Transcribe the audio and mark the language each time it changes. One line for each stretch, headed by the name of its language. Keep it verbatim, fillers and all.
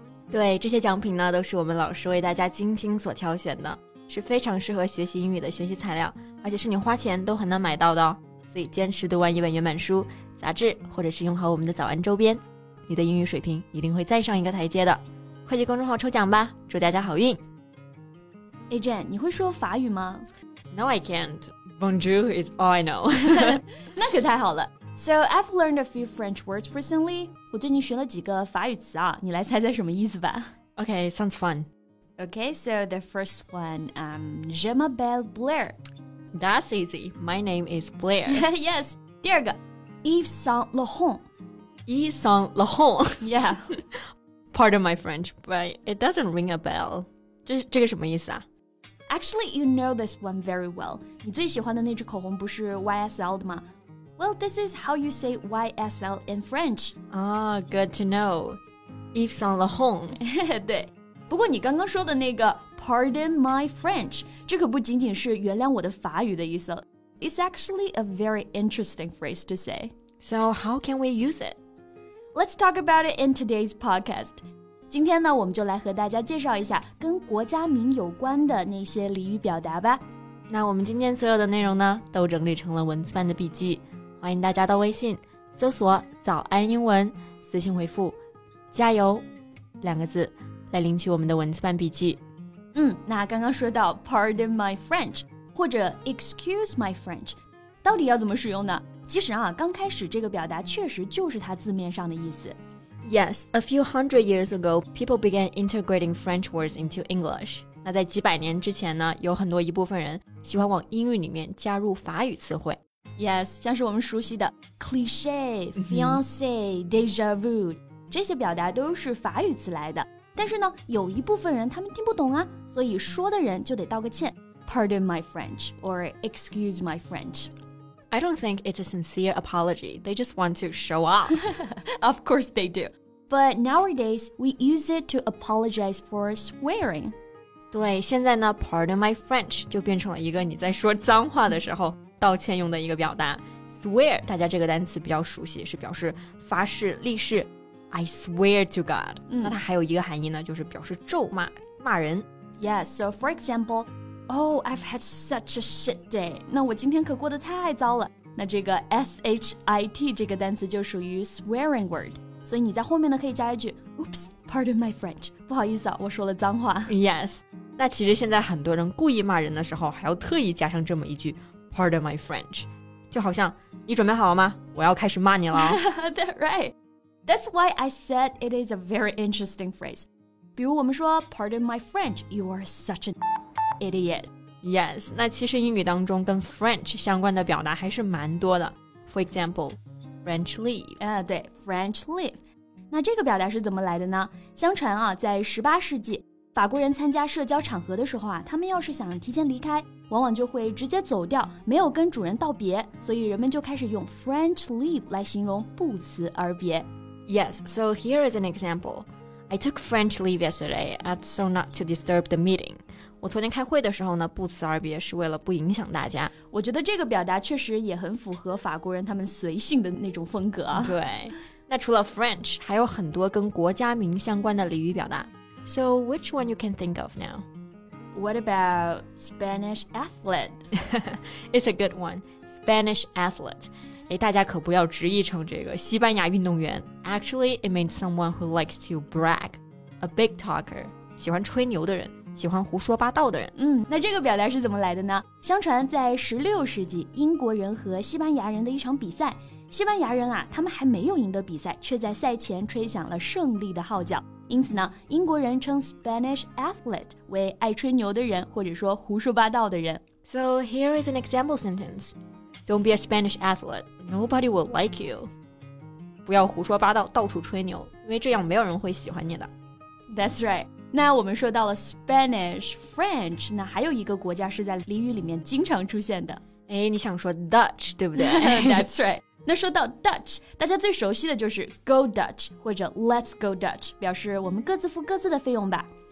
Chinese: 对，这些奖品呢，都是我们老师为大家精心所挑选的，是非常适合学习英语的学习材料，而且是你花钱都很难买到的哦。所以坚持读完一本原版书、杂志，或者是用好我们的早安周边，你的英语水平一定会再上一个台阶的。快去公众号抽奖吧，祝大家好运。诶 Jen， 你会说法语吗？
English: No, I can't. Bonjour is all I know.
Chinese: 那可太好了。
English: So I've learned a few French words recently.
Chinese: 我最近学了几个法语词啊，你来猜猜什么意思吧。
English: Okay, sounds fun. Okay, so the first one, um,
French: Je m'appelle Blair.
English: That's easy. My name is Blair. Yes.
Chinese: 第二个 Yves Saint Laurent.
French: Yves Saint Laurent.
English: Yeah. Pardon my French, but it doesn't ring a bell.
Chinese: 这, 这个什么意思啊？
English: Actually, you know this one very well.
Chinese: 你最喜欢的那支口红不是 Y S L 的吗？
English: Well, this is how you say Y S L in French. Ah, good to know. Yves Saint Laurent.
Chinese: 对，不过你刚刚说的那个
English: Pardon my French,
Chinese: 这可不仅仅是原谅我的法语的意思了。
English: It's actually a very interesting phrase to say. So how can we use it? Let's talk about it in today's podcast.
Chinese: 今天呢，我们就来和大家介绍一下跟国家名有关的那些俚语表达吧。那我们今天所有的内容呢，都整理成了文字版的笔记。欢迎大家到微信搜索早安英文，私信回复加油两个字来领取我们的文字版笔记。嗯，那刚刚说到
English: Pardon my French
Chinese: 或者
English: Excuse my French
Chinese: 到底要怎么使用呢？其实啊，刚开始这个表达确实就是它字面上的意思。
English: Yes, a few hundred years ago, people began integrating French words into English.
Chinese: 那在几百年之前呢，有很多一部分人喜欢往英语里面加入法语词汇。 Yes, 像是我们熟悉的 cliché, fiancé, déjà vu, 这些表达都是法语词来的。但是呢，有一部分人他们听不懂啊，所以说的人就得道个歉
English: Pardon my French, or excuse my French. I don't think it's a sincere apology. They just want to show off. Of course they do. But nowadays, we use it to apologize for swearing.
Chinese: 对，现在呢
English: Pardon my French
Chinese: 就变成了一个你在说脏话的时候道歉用的一个表达。 Swear 大家这个单词比较熟悉，是表示发誓立誓。
English: I swear to God、
Chinese: 嗯、那它还有一个含义呢，就是表示咒骂骂人。
English: Yes, so for example, Oh, I've had such a shit day.
Chinese: 那我今天可过得太糟了。那这个 S H I T 这个单词就属于 swearing word， 所以你在后面呢可以加一句
English: Oops, pardon my French，
Chinese: 不好意思啊，我说了脏话。 Yes， 那其实现在很多人故意骂人的时候还要特意加上这么一句
English: Pardon my French.
Chinese: 就好像你准备好了吗？我要开始骂你了。
English: That's right. That's why I said it is a very interesting phrase.
Chinese: 比如我们说
English: Pardon my French, you are such an idiot.
Chinese: Yes, 那其实英语当中跟 French 相关的表达还是蛮多的。
English: For example, French leave.
Chinese: 啊，对 French leave. 那这个表达是怎么来的呢？相传啊，在十八世纪法国人参加社交场合的时候啊，他们要是想提前离开，往往就会直接走掉，没有跟主人道别，所以人们就开始用 French leave 来形容不辞而别。
English: Yes, so here is an example. I took French leave yesterday, so not to disturb the meeting.
Chinese: 我昨天开会的时候呢，不辞而别是为了不影响大家。我觉得这个表达确实也很符合法国人他们随性的那种风格啊。对，那除了 French， 还有很多跟国家名相关的俚语表达。
English: So, which one you can think of now? What about Spanish athlete? It's a good one. Spanish athlete.
Chinese: 诶，大家可不要直译成这个西班牙运动员。
English: Actually, it means someone who likes to brag. A big talker.
Chinese: 喜欢吹牛的人，喜欢胡说八道的人。嗯，那这个表达是怎么来的呢？相传在十六世纪，英国人和西班牙人的一场比赛。西班牙人啊，他们还没有赢得比赛，却在赛前吹响了胜利的号角。因此呢，英国人称 Spanish athlete 为爱吹牛的人，或者说胡说八道的人。
English: So here is an example sentence. Don't be a Spanish athlete. Nobody will like you.
Chinese: 不要胡说八道，到处吹牛，因为这样没有人会喜欢你的。
English: That's right.
Chinese: 那我们说到了 Spanish、French， 那还有一个国家是在俚语里面经常出现的。哎，你想说 Dutch 对不对
English: ？That's right。
Chinese: 那说到 Dutch， 大家最熟悉的就是 Go Dutch 或者
English: Let's Go Dutch，
Chinese: 表示我们各自付各自的费用吧。